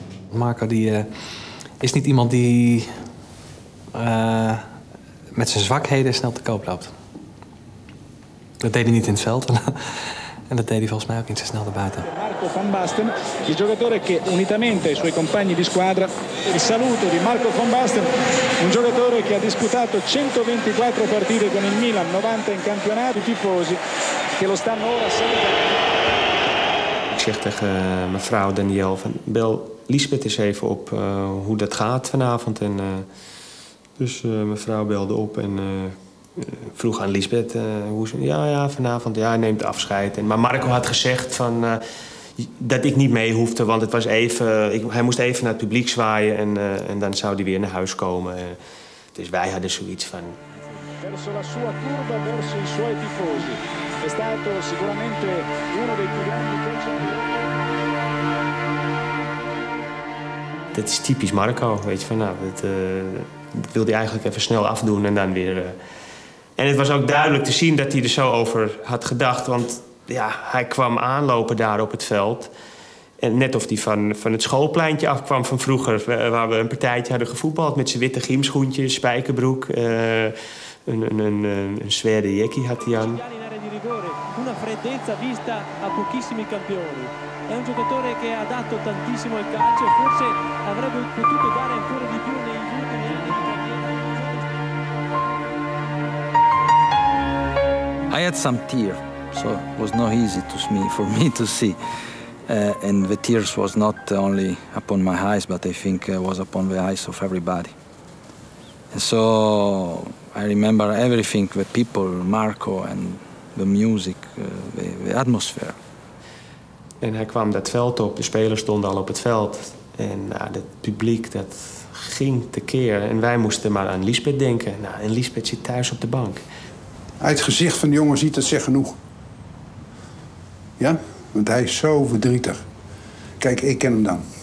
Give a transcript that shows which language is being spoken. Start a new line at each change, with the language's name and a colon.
Dutch: Marco die is niet iemand die met zijn zwakheden snel te koop loopt. Dat deed hij niet in het veld. En dat deed hij volgens mij ook niet zo snel erbuiten.
Italian: Marco van Basten, il giocatore che unitamente ai suoi compagni di squadra, il saluto di Marco van Basten, un giocatore che ha disputato 124 partite con il Milan, 90 in campionato, i tifosi che lo stanno ora salutando.
Dutch: Ik zeg tegen mevrouw Danielle van bel Lisbeth eens even op hoe dat gaat vanavond. En, mevrouw belde op en vroeg aan Lisbeth hoe ze. Ja, vanavond. Ja, hij neemt afscheid. Maar Marco had gezegd dat ik niet mee hoefde. Want het was even. Hij moest even naar het publiek zwaaien. En dan zou hij weer naar huis komen. Dus wij hadden zoiets van.
Italian: Verso la sua curva, verso i suoi tifosi. è stato sicuramente uno dei più grandi calciatori.
Dutch: Dat is typisch Marco, weet je, van nou, dat wilde hij eigenlijk even snel afdoen en dan weer... En het was ook duidelijk te zien dat hij er zo over had gedacht, want ja, hij kwam aanlopen daar op het veld. En net of hij van het schoolpleintje afkwam van vroeger, waar we een partijtje hadden gevoetbald met zijn witte gymschoentjes, spijkerbroek, een zware jackie had hij aan.
Italian: Una freddezza vista a pochissimi campioni. È un giocatore che ha dato tantissimo il calcio, forse avrebbe potuto dare ancora di più negli ultimi anni.
English: I had some tear, so it was not easy for me to see. And the tears was not only upon my eyes, but I think it was upon the eyes of everybody. And so I remember everything, the people, Marco, and the music, the atmosphere.
Dutch: En hij kwam dat veld op, de spelers stonden al op het veld. En nou, het publiek, dat ging tekeer. En wij moesten maar aan Lisbeth denken. Nou, en Lisbeth zit thuis op de bank. Uit het gezicht van de jongen ziet dat zeg genoeg. Ja, want hij is zo verdrietig. Kijk, ik ken hem dan.